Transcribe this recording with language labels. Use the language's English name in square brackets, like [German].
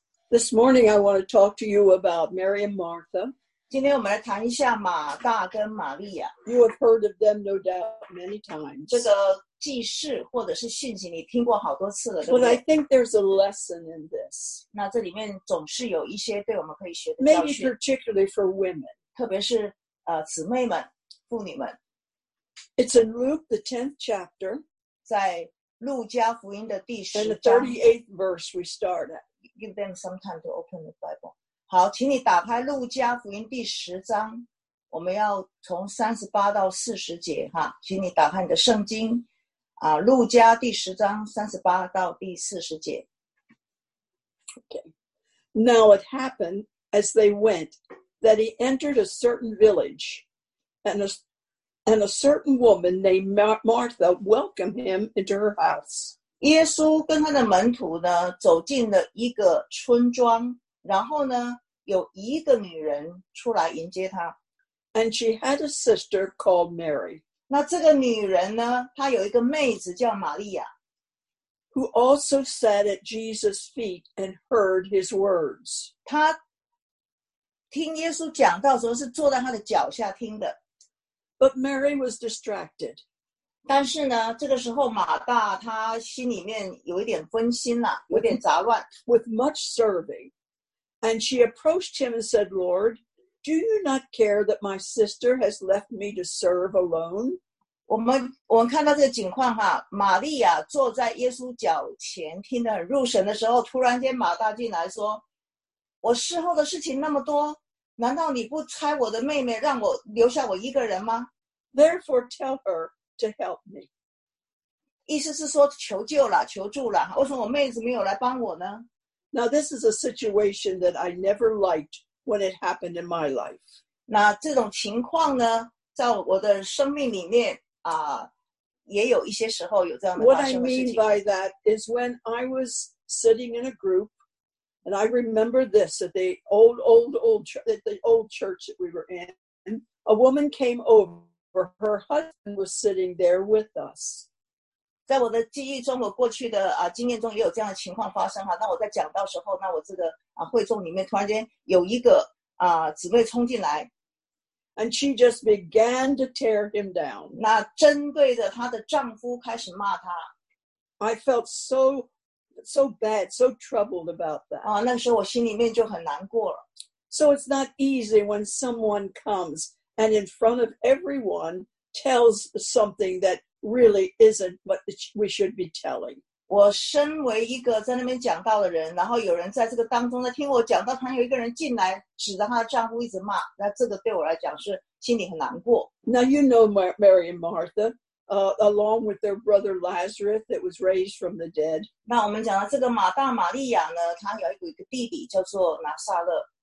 [English] This morning, I want to talk to you about Mary and Martha. [Chinese] 今天我们来谈一下马大跟玛利亚。 [English] You have heard of them, no doubt, many times. [Chinese] 这个记事或者是信息你听过好多次了。 [English] But I think there's a lesson in this. [Chinese] 那这里面总是有一些对我们可以学的教训。 [English] Maybe particularly for women. [Chinese] 特别是姊妹们、妇女们。 [English] It's in Luke, the 10th chapter. [Chinese] 在路加福音的第十章。 [English] And the 38th verse we start at. Give them some time to open the Bible. [Chinese] 好，请你打开路加福音第十章，我们要从38到40节哈，请你打开你的圣经啊，路加第十章38到40节。 [English] Okay. Now it happened as they went that he entered a certain village, and a certain woman named Martha welcomed him into her house. [Chinese] 耶稣跟他的门徒呢走进了一个村庄，然后呢有一个女人出来迎接他。 [English] And she had a sister called Mary. [Chinese] 那这个女人呢，她有一个妹子叫玛利亚。 [English] Who also sat at Jesus' feet and heard his words. [Chinese] 她听耶稣讲到的时候是坐在他的脚下听的。 [English] But Mary was distracted. [Chinese] 但是呢，这个时候马大他心里面有一点分心了，有点杂乱。 [English] With much serving, and she approached him and said, "Lord, do you not care that my sister has left me to serve alone?" [Chinese] 我们看到这个情况哈，玛利亚坐在耶稣脚前听得很入神的时候，突然间马大进来说：“我侍候的事情那么多，难道你不差我的妹妹让我留下我一个人吗 [English] ？”Therefore, tell her. To help me. [Chinese] 意思是说求救了求助了为什么我妹子没有来帮我呢 [English] Now this is a situation that I never liked when it happened in my life. [Chinese] 那这种情况呢在我的生命里面啊，也有一些时候有这样的发生的事情 [English] What I mean by that is when I was sitting in a group and I remember this at the old church that we were in a woman came overFor her husband was sitting there with us. [Chinese] 在我的记忆中，我过去的经验中也有这样的情况发生哈。那我在讲到时候，那我这个会众里面突然间有一个姊妹冲进来 [English] ，and she just began to tear him down. [Chinese] 那针对着她的丈夫开始骂她。 [English] I felt so bad, so troubled about that. [Chinese] 那时候我心里面就很难过了。 [English] So it's not easy when someone comes. And in front of everyone, tells something that really isn't what we should be telling. [Chinese] 我身为一个在那边讲道的人，然后有人在这个当中呢听我讲道，突然有一个人进来指着她的丈夫一直骂，那这个对我来讲是心里很难过。 [English] Now you know Mary and Martha, along with their brother Lazarus that was raised from the dead. [Chinese] 那我们讲到这个马大、玛利亚呢，她有一个弟弟叫做拿撒勒。